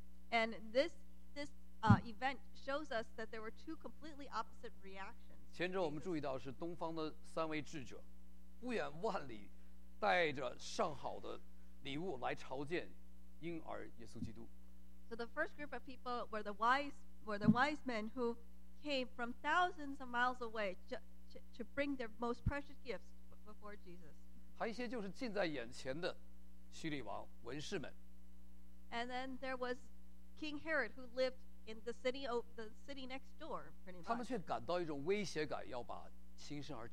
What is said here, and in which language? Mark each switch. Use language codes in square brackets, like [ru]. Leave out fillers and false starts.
[en] And this event shows us that there were two completely opposite reactions. [zh] 前者我们注意到是东方的三位智者，不远万里，带着上好的礼物来朝见婴儿耶稣基督。 [en] So the first group of people were the wise men who came from thousands of miles away to bring their most precious gifts before Jesus. [zh] 还有一些就是近在眼前的希律王文士们。 [en] And then there was King Herod who lived in the city next door, pretty much.